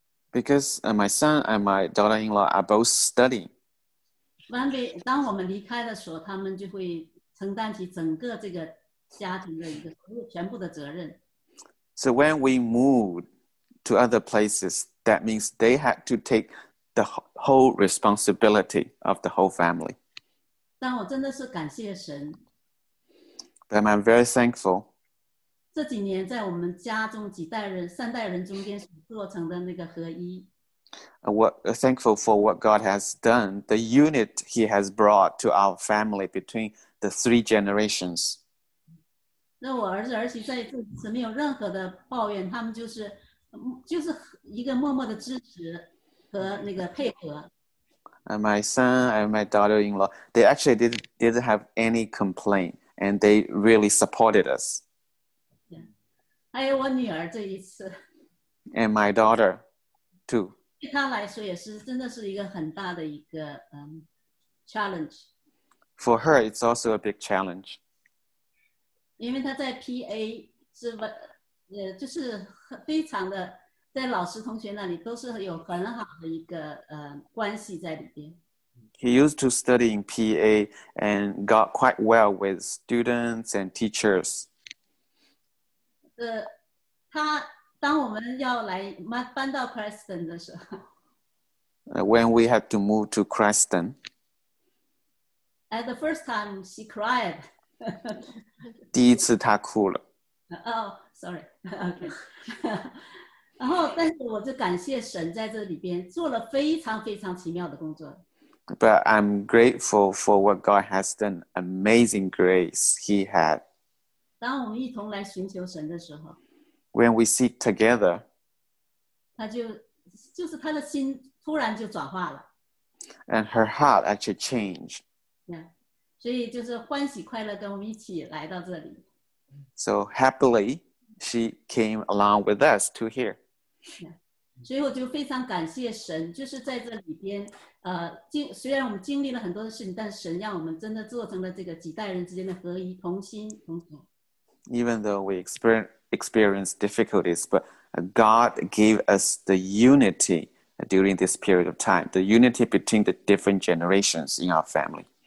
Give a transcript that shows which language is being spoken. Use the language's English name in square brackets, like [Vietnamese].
[English] Because my son and my daughter-in-law are both studying. [Chinese] 当我们离开的时候，他们就会承担起整个这个家庭的一个全部的责任。 [English] So when we moved to other places, that means they had to take the whole responsibility of the whole family. [Chinese] 但我真的是感谢神。 [English] But I'm very thankful. [Chinese] 这几年在我们家中几代人三代人中间所做成的那个合一 [English] thankful for what God has done the unit he has brought to our family between the three generations [Chinese] 那我儿子儿媳在这次没有任何的抱怨他们就是一个默默的支持和那个配合 [English] and my son and my daughter-in-law they actually didn't have any complaint and they really supported us [Chinese] 还有我女儿这一次 [English] and my daughter too [Chinese] 对她来说也是真的是一个很大的一个challenge [English] for her it's also a big challenge [Chinese] 因为她在 PA 是就是非常的在老师同学那里都是有很好的一个关系在里边 [English] he used to study in PA and got quite well with students and teachers When we had to move to Creston, at the first time she cried. [Chinese] 第一次她哭了 [English] Oh, sorry. Okay. [Chinese] 然后，但是我就感谢神在这里边做了非常非常奇妙的工作 [English] But I'm grateful for what God has done. Amazing grace He had. [Chinese] 当我们一同来寻求神的时候 [English] When we seek together [Chinese] 他就是他的心突然就转化了 [English] And her heart actually changed [Chinese] yeah, 所以就是欢喜快乐跟我们一起来到这里 [English] So happily she came along with us to here [Chinese] yeah, 所以我就非常感谢神就是在这里边虽然我们经历了很多的事情但神让我们真的做成了这个几代人之间的合一同心同同 [English] Even though we experience difficulties, but God gave us the unity during this period of time, the unity between the different generations in our family.